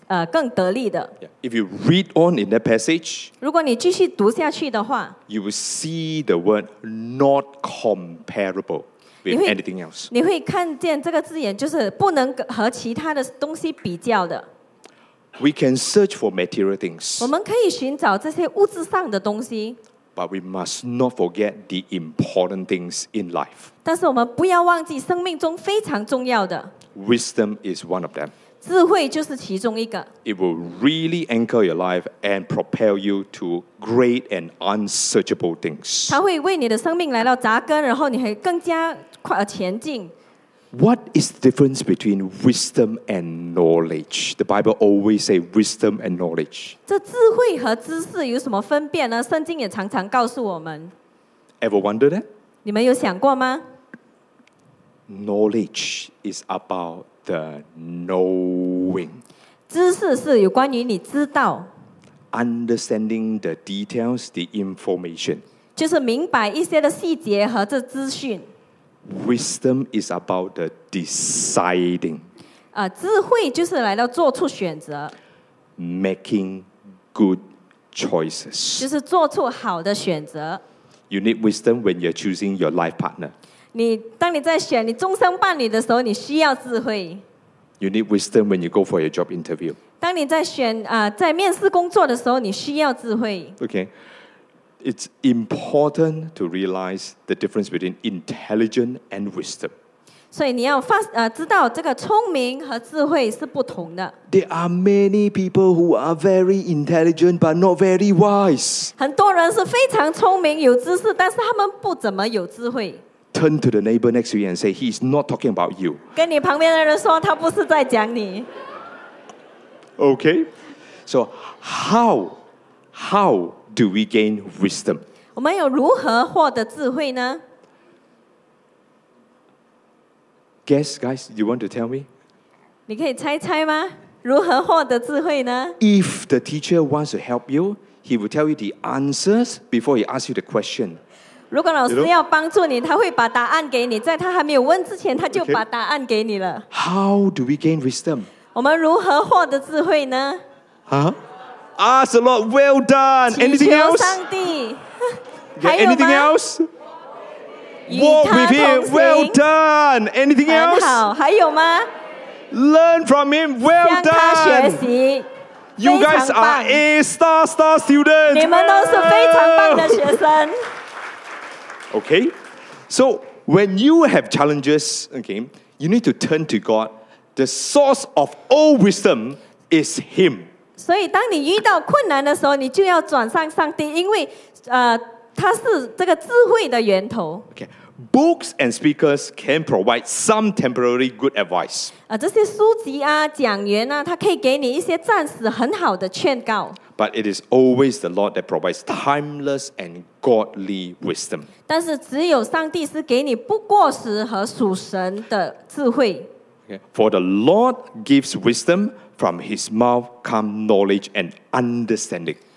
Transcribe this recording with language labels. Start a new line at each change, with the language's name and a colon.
Chinese: 更得力的。
English: If you read on in that passage,
Chinese: 如果你继续读下去的话，
English: you will see the word not comparable with anything else.
Chinese: 你会看见这个字眼，就是不能和其他的东西比较的。
English: We can search for material things.
Chinese: 我们可以寻找这些物质上的东西。
English: But we must not forget the important things in life.
Chinese: 但是我们不要忘记生命中非常重要的。
English: Wisdom is one of them.
Chinese: 智慧就是其中一个。
English: It will really anchor your life and propel you to great and unsearchable things.
Chinese: 它会为你的生命来到扎根，然后你会更加前进。
English: What is the difference between wisdom and knowledge? The Bible always says wisdom and knowledge.
Chinese: 这智慧和知识有什么分别呢？圣经也常常告诉我们。
English: Ever wondered that?
Chinese: 你们有想过吗？
English: Knowledge is about the knowing.
Chinese: 知识是有关于你知道。
English: Understanding the details, the information.
Chinese: 就是明白一些的细节和这资讯。
English: Wisdom is about the deciding.
Chinese: 智慧就是来到做出选择。
English: Making good choices.
Chinese: 就是做出好的选择。
English: You need wisdom when you're choosing your life partner.
Chinese: 当你在选你终身伴侣的时候，你需要智慧。
English: You need wisdom when you go for your job interview.
Chinese: 当你在选在面试工作的时候，你需要智慧。
English: Okay, it's important to realize the difference between intelligent and wisdom.
Chinese: 所以你要发知道这个聪明和智慧是不同的。
English: There are many people who are very intelligent but not very wise.
Chinese: 很多人是非常聪明有知识，但是他们不怎么有智慧。
English: Turn to the neighbor next to you and say he's not talking about you.
Chinese: 跟你旁边的人说他不是在讲你。
English: Okay, so how do we gain wisdom?
Chinese: 我们要如何获得智慧呢？
English: Guess, guys, you want to tell me?
Chinese: 你可以猜猜吗？如何获得智慧呢？
English: If the teacher wants to help you, he will tell you the answers before he asks you the question.
Chinese: 如果老师要帮助你，他会把答案给你，在他还没有问之前，他就把答案给你了。
English: Okay. How do we gain wisdom?
Chinese: 我们如何获得智慧呢？
English: Huh? Ask the Lord, well done. Anything else?
Chinese: 祈求上帝。
English: Okay, anything else? Walk with him. Well done. Anything else?
Chinese: 还有吗?
English: Learn from him. Well done. You guys are A-star students.
Chinese: 你们都是非常棒的学生。
English: Okay. So when you have challenges, okay, you need to turn to God. The source of all wisdom is him.
Chinese: 所以当你遇到困难的时候，你就要转向上帝，因为他是这个智慧的源头。
English: Okay, books and speakers can provide some temporary good advice.
Chinese: 这些书籍啊，讲员啊，他可以给你一些暂时很好的劝告。
English: But it is always the Lord that provides timeless and godly wisdom.
Chinese: 但是只有上帝是给你不过时和属神的智慧。
English: Okay, for the Lord gives wisdom, from his mouth come knowledge and understanding.